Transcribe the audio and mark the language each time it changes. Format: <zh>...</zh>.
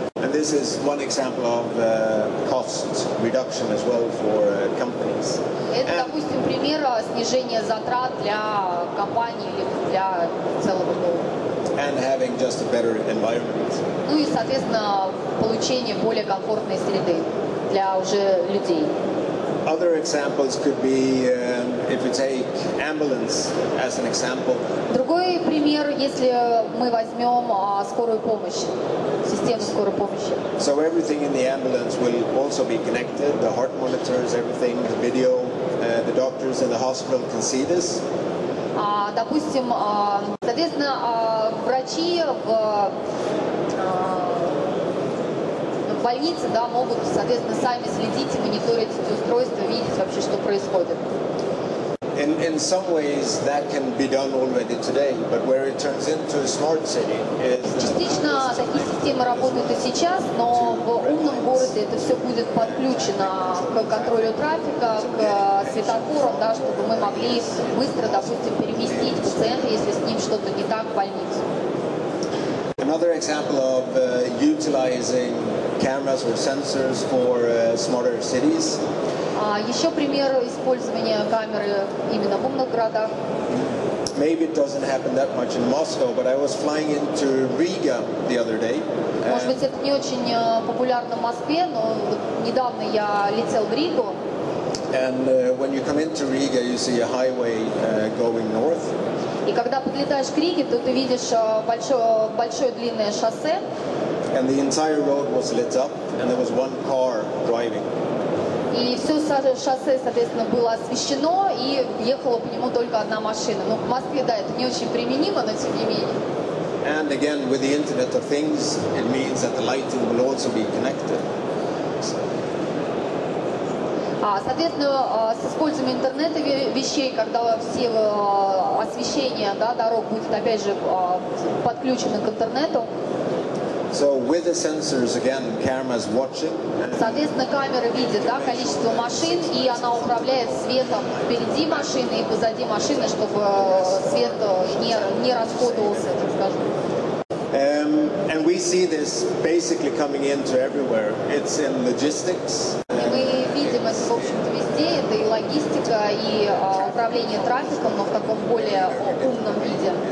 <en>And this is one example of cost reduction as well for companies.</en> <ru>Это, допустим, пример снижения затрат для компании или для целого дома.</ru> <en>And having just a better environment.</en> <ru>Ну и, соответственно, получение более комфортной среды для уже людей.</ru> <en>Other examples could be if you take ambulance as an example.</en> <ru>Другой пример, если мы возьмем скорую помощь, систему скорой помощи.</ru> <en>So everything in the ambulance will also be connected, the heart monitors, everything, the video, the doctors in the hospital can see this.</en> <ru>Допустим, соответственно, врачи в больнице, да, могут, соответственно, сами следить и мониторить эти устройства, видеть вообще, что происходит.</ru> <en>In some ways that can be done already today, but where it turns into a smart city is.</en> <ru>Частично такие системы работают и сейчас, но в умном городе это все будет подключено к контролю трафика, к светофорам, да, чтобы мы могли быстро, допустим, переместить пациента, если с ним что-то не так, в больницу.</ru> <en>Another example of utilizing cameras or sensors for smarter cities.</en> <ru>Еще пример использования камеры именно в умных городах.</ru> <en>Maybe it doesn't happen that much in Moscow, but I was flying into Riga the other day.</en> <ru>Может быть, это не очень популярно в Москве, но недавно я летел в Ригу.</ru> <en>And when you come into Riga, you see a highway going north.</en> <ru>И когда подлетаешь к Риге, то ты видишь большое длинное шоссе.</ru> <en>And the entire road was lit up, and there was one car driving.</en> <ru>И все шоссе, соответственно, было освещено, и ехала по нему только одна машина. Ну, в Москве, да, это не очень применимо, но тем не менее.</ru> <en>And again, with the Internet of Things, it means that the lighting will also be connected.</en> <ru>Соответственно, с использованием интернета вещей, когда все освещение, да, дорог будет, опять же, подключено к интернету.</ru> <en>So with the sensors again, cameras watching.</en> <ru>Соответственно, камера видит, да, количество машин, и она управляет светом впереди машины и позади машины, чтобы свет не расходовался, так скажем.</ru> <en>And we see this basically coming into everywhere. It's in logistics.</en> <ru>Мы видим это, в общем-то, везде. Это и логистика, и управление трафиком, но в таком более умном виде.</ru>